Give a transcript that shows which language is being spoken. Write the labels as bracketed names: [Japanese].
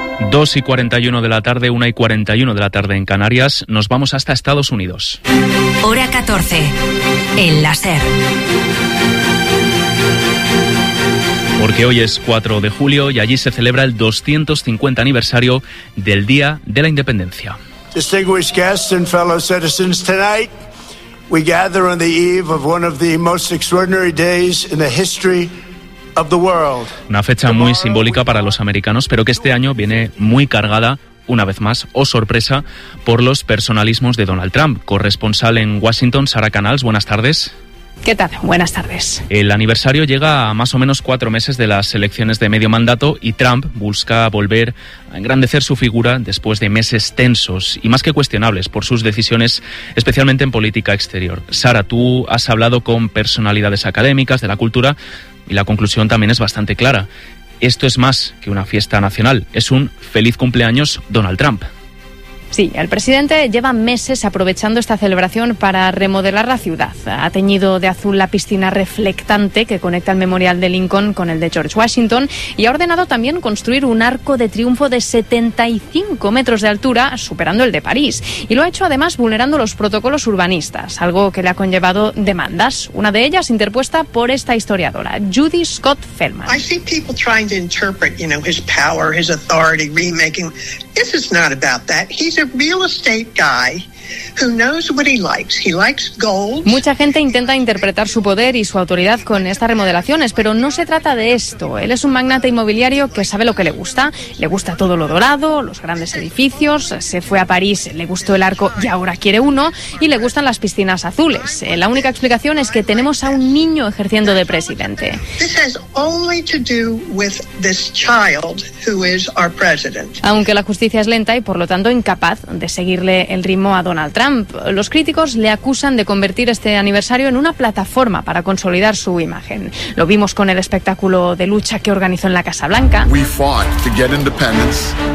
[Spanish] 2:41 de la tarde, 1:41 de la tarde en Canarias. Nos vamos hasta Estados Unidos. Hora 14, el láser. Porque hoy es 4 de julio y allí se celebra el 250 aniversario del Día de la Independencia. [English] Distinguished guests and fellow citizens, tonight we gather on the eve of one of the most extraordinary days in the history of the world. [Spanish] Una fecha muy simbólica para los americanos, pero que este año viene muy cargada, una vez más, o sorpresa, por los personalismos de Donald Trump. Corresponsal en Washington, Sara Canals, buenas tardes. ¿Qué tal? Buenas tardes. El aniversario llega a más o menos 4 meses de las elecciones de medio mandato y Trump busca volver a engrandecer su figura después de meses tensos y más que cuestionables por sus decisiones, especialmente en política exterior. Sara, tú has hablado con personalidades académicas de la cultura y la conclusión también es bastante clara. Esto es más que una fiesta nacional, es un feliz cumpleaños Donald Trump. Sí, el presidente lleva meses aprovechando esta celebración para remodelar la ciudad. Ha teñido de azul la piscina reflectante que conecta el memorial de Lincoln con el de George Washington y ha ordenado también construir un arco de triunfo de 75 metros de altura, superando el de París. Y lo ha hecho además vulnerando los protocolos urbanistas, algo que le ha conllevado demandas. Una de ellas interpuesta por esta historiadora, Judy Scott Feldman. [English] I see people trying to interpret, you know, his power, his authority, remaking. This is not about that. He's a real estate guy who knows what he likes. He likes gold. [Spanish] Mucha gente intenta interpretar su poder y su autoridad con estas remodelaciones, pero no se trata de esto. Él es un magnate inmobiliario que sabe lo que le gusta. Le gusta todo lo dorado, los grandes edificios. Se fue a París, le gustó el arco y ahora quiere uno. Y le gustan las piscinas azules. La única explicación es que tenemos a un niño ejerciendo de presidente. [English] This has only to do with this child who is our president. [Spanish] Aunque la justicia es lenta y, por lo tanto, incapaz de seguirle el ritmo a Donald Trump. Los críticos le acusan de convertir este aniversario en una plataforma para consolidar su imagen. Lo vimos con el espectáculo de lucha que organizó en la Casa Blanca. [English] We fought to get independence.